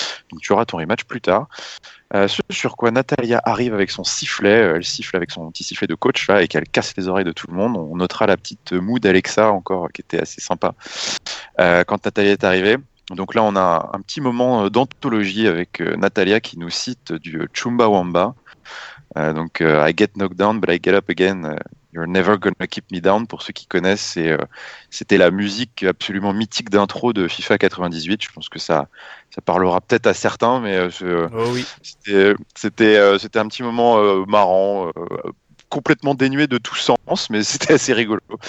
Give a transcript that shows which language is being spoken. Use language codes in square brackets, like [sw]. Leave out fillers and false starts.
[fr] Donc tu auras ton rematch plus tard. Ce sur quoi Natalia arrive avec son sifflet, elle siffle avec son petit sifflet de coach là, et qu'elle casse les oreilles de tout le monde. On notera la petite moue d'Alexa encore, qui était assez sympa quand Natalia est arrivée. Donc là, on a un petit moment d'anthologie avec Natalia qui nous cite du Chumbawamba. [en] I get knocked down, but I get up again. You're never gonna keep me down. [fr] Pour ceux qui connaissent, c'était la musique absolument mythique d'intro de FIFA 98. Je pense que ça parlera peut-être à certains, mais oh oui. C'était un petit moment marrant, complètement dénué de tout sens, mais c'était assez rigolo.